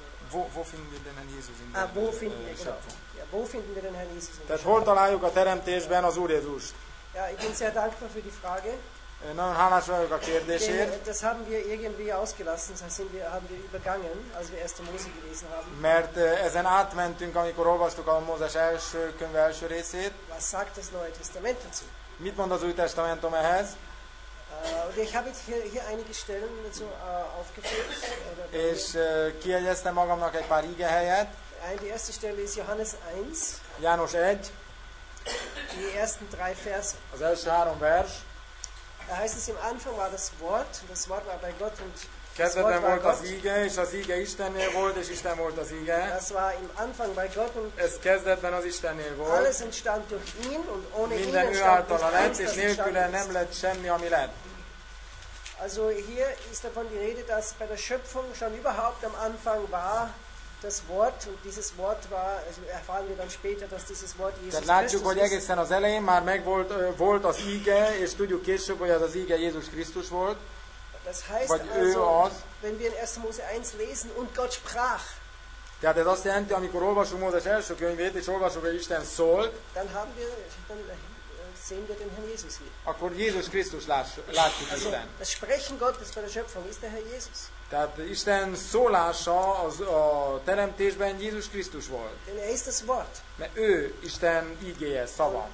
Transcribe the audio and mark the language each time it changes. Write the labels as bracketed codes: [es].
[de] Wo finden wir den Herrn Jesus in der Wo finden wir den Herrn Jesus in der Schöpfung? [hu] Tehát hol találjuk a teremtésben az Úr Jézust? [de] Ja, ich bin sehr dankbar für die Frage. [hu] Nagyon hálás vagyok a kérdésért. [de] Das haben wir irgendwie ausgelassen, haben wir übergangen, als wir erste Mose gelesen haben. [hu] Mert ezen átmentünk, amikor olvastuk a Mózes első könyve első részét. [de] Was sagt das Neue Testament dazu? [hu] Mit mond az Új Testamentum ehhez? [de] Ich habe hier einige Stellen dazu aufgeführt. [hu] És kiegyeztem magamnak egy pár ige helyet. [de] Die erste Stelle ist Johannes 1. [hu] János 1. [de] Die ersten drei Vers. [hu] Az első három vers. [de] Da heißt es, im Anfang war das Wort, und das Wort war bei Gott, und [hu] kezdetben volt az íge, és az íge Istennél volt, és Isten volt az íge. [de] Das war im Anfang bei Gott, und [hu] ez kezdetben az Istennél volt. [de] Alles entstand durch ihn, und ohne ihn entstand durch eins, das entstand ist. [hu] Minden ő általa lett, és nélküle nem lett semmi, ami lett. [de] Also hier ist davon die Rede, dass bei der Schöpfung schon überhaupt am Anfang war, das Wort, und dieses Wort war, also erfahren wir dann später, dass dieses Wort Jézus [hu] Krisztus. Látjuk, hogy egészen az elején már megvolt volt az íge, és tudjuk később, hogy az íge Jézus Krisztus volt. [de] Das heißt vagy also, az, wenn wir in 1. Mose 1 lesen und Gott sprach. [hu] Tehát ez azt jelenti, amikor olvasunk Mózes első könyvét, és olvasunk, hogy Isten szólt. [de] Dann haben wir, dann sehen wir den Herrn Jesus hier. [hu] Akkor Jézus Krisztus látjuk [de] also, [hu] Isten. [de] Das Sprechen Gottes bei der Schöpfung ist der Herr Jesus. [hu] Tehát Isten szólása az a teremtésben Jézus Krisztus volt. [de] Denn er ist das Wort. [hu] Mert ő Isten ígéje, szava.